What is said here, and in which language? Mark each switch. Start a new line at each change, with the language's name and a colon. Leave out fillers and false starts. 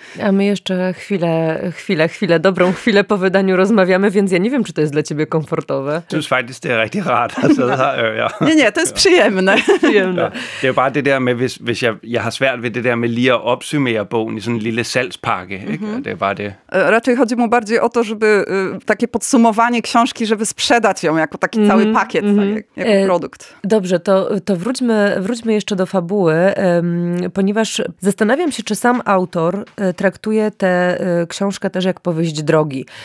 Polish: A my jeszcze chwilę, dobrą chwilę po wydaniu rozmawiamy, więc ja nie wiem, czy to jest dla ciebie komfortowe. To jest faktycznie to jest
Danish: rigtig rart. Also, ja.
Polish: Nie, to jest przyjemne.
Danish: Det er bare det der med, hvis jeg har svært ved det der med lige at opsummere bogen i sådan en lille salgspakke. Mm-hmm. Det er bare det.
Polish: Raczej chodzi mu bardziej o to, żeby takie podsumowanie książki, żeby sprzedać ją jako taki cały pakiet, jako produkt. Dobrze, to wróćmy jeszcze do fabuły, ponieważ zastanawiam się, czy sam autor traktuje tę książkę też jak powieść drogi.